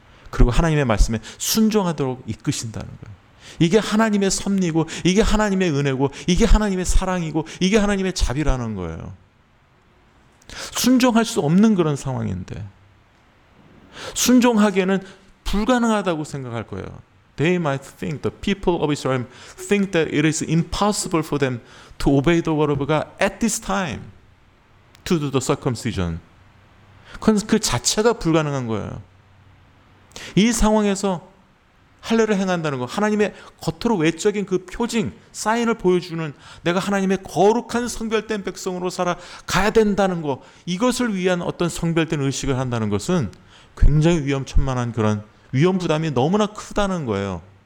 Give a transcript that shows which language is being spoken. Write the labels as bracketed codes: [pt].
[ko] 그리고 하나님의 말씀에 순종하도록 이끄신다는 거예요. 이게 하나님의 섭리고, 이게 하나님의 은혜고, 이게 하나님의 사랑이고, 이게 하나님의 자비라는 거예요. 순종할 수 없는 그런 상황인데, 순종하기에는 불가능하다고 생각할 거예요. [en] They might think, the people of Israel think that it is impossible for them to obey the word of God at this time to do the circumcision. [ko] 그건 그 자체가 불가능한 거예요. 이 상황에서 할례를 행한다는 거, 하나님의 겉으로 외적인 그 표징, 사인을 보여주는 내가 하나님의 거룩한 성별된 백성으로 살아가야 된다는 거, 이것을 위한 어떤 성별된 의식을 한다는 것은 굉장히 위험천만한 그런 위험 부담이 너무나 크다는 거예요.